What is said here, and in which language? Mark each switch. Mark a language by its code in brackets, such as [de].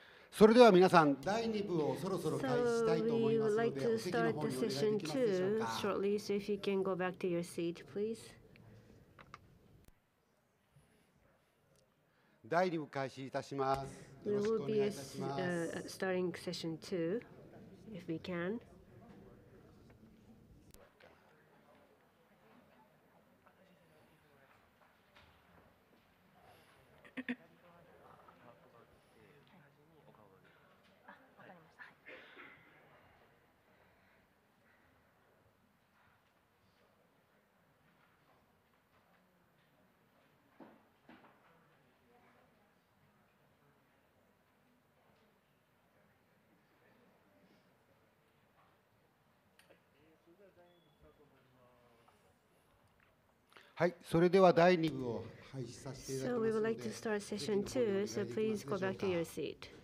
[ja] それでは皆さん、第2部をそろそろ開始したいと思いますので、お席の方にお願いできますでしょうか。 [en] Shortly, so if you can go back to your seat, please. [ja] 第2部開始いたします。よろしくお願いいたします。 [en] We will be starting session 2, if we can. [ja] はい、それでは第2部を開始させていただきますので、 [en] So we would like to start session 2, so please go back to your seat.